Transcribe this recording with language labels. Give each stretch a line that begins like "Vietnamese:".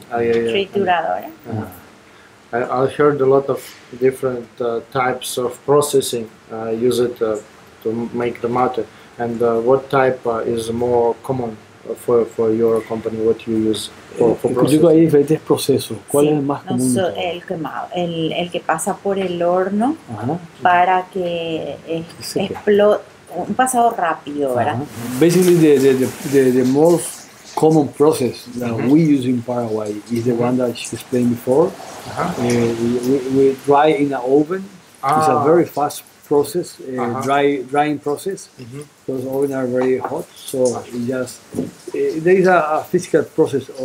Spanish: Trituradora.
English: Uh-huh. I heard a lot of different types of processing used to make the mate. And what type is more common for your company? What you use for processing?
Spanish: Yo digo, hay diferentes procesos. ¿Cuál es el más común? El que pasa por el horno para que explote. Un pasado rápido, ¿verdad? Uh-huh.
English: Basically, the most common process that we use in Paraguay is the one that she explained before. We dry in an oven. It's a very fast process, drying process. Mm-hmm. Those ovens are very hot, so it just there is a physical process.